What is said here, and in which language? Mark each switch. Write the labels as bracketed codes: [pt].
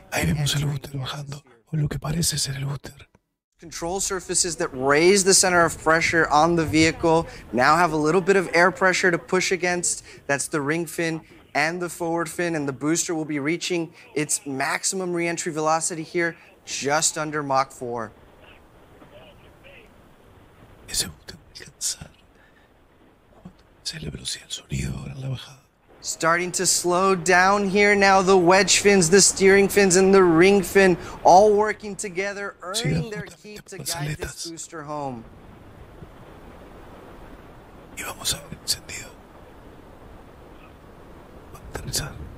[es] Ahí vemos el booster bajando, o lo que parece ser el booster. [en] Control surfaces that raise the center of pressure on the vehicle now have a little bit of air pressure to push against. That's the ring fin and the forward fin, and the booster will be reaching its maximum reentry velocity here just under Mach 4. [es] Ese booster va a alcanzar. ¿Cuánto es la velocidad del sonido ahora en la bajada? [en] Starting to slow down here now. The wedge fins, the steering fins, and the ring fin all working together, earning their keep to guide this booster home. [es] Y vamos a ver el sentido. Aterrizar.